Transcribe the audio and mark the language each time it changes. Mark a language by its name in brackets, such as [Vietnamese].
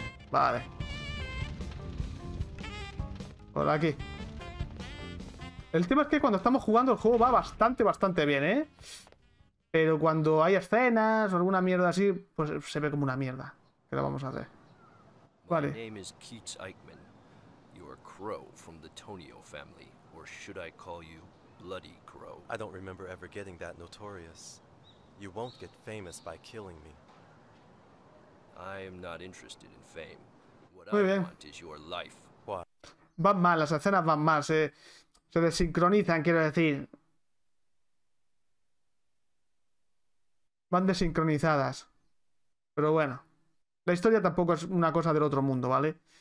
[Spanish] Vale. Por aquí. El tema es que cuando estamos jugando el juego va bastante, bastante bien, ¿eh? Pero cuando hay escenas o alguna mierda así, pues se ve como una mierda. ¿Qué lo vamos a hacer? Vale. [English] My name is Keats Eichmann. You are Crow from the Tonio family. Or should I call you Bloody Crow? I don't remember ever getting that notorious. You won't get famous by killing me. I am not interested in fame. What [Spanish] Muy [English] I [Spanish] bien. [English] Want is your life. What? [Spanish] Van mal, las escenas van mal, se desincronizan, quiero decir. Van desincronizadas. Pero bueno, la historia tampoco es una cosa del otro mundo, ¿vale?